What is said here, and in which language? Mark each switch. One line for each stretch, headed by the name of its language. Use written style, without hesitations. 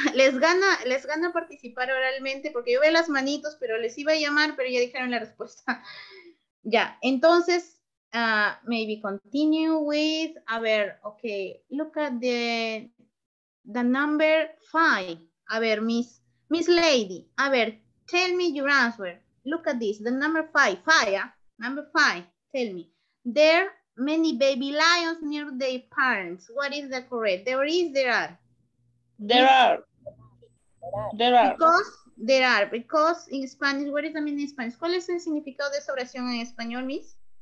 Spanish: Les gana participar oralmente porque yo veo las manitos, pero les iba a llamar, pero ya dijeron la respuesta. Ya, entonces,
English: maybe continue with,
Spanish: a ver,
English: okay, look at the number 5.
Spanish: A ver,
English: Miss Lady, a ver, tell me your answer. Look at this, the number 5, number 5, tell me. There are many baby lions near their parents. What is the correct? Because in Spanish, what is the meaning in Spanish?
Spanish: ¿Cuál es el significado de esa oración en español, Miss?